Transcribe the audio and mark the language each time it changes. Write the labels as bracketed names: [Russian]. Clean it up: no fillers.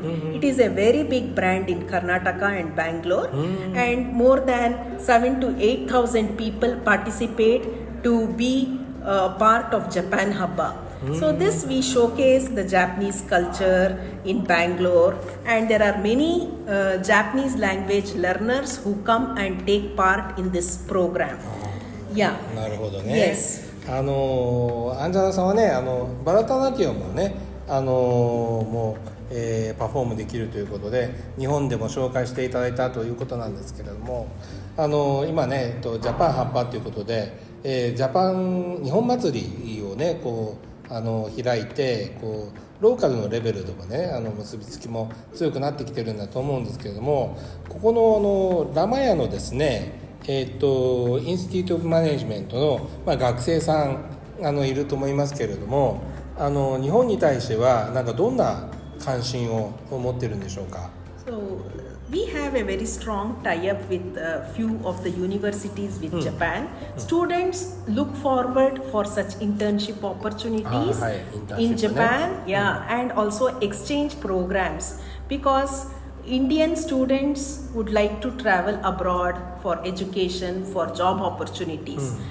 [English] It is a very big brand in Karnataka and Bangalore, and more than 7,000 to 8,000 people participate to be a part of Japan Hapa. So this we showcase the Japanese culture in Bangalore, and there are many Japanese language learners who come and take part in this program. Yeah. [Japanese] なるほどね。 [English] Yes. [Japanese] アンジャナさんはね、バラタナティオもね、パフォームできるということで、日本でも紹介していただいたということなんですけれども、今ね、ジャパンハッパということで、ジャパン日本祭りをね、こう開いてこうローカルのレベルでもね、結びつきも強くなってきてるんだと思うんですけれども、ここのラマヤのですね、インスティートマネジメントの、学生さんいると思いますけれども、日本に対してはなんかどんな関心を持ってるんでしょうか？ [English] So we have a very strong tie-up with a few of the universities with Japan. Students look forward for such internship opportunities in Japan, and also exchange programs, because Indian students would like to travel abroad for education, for job opportunities.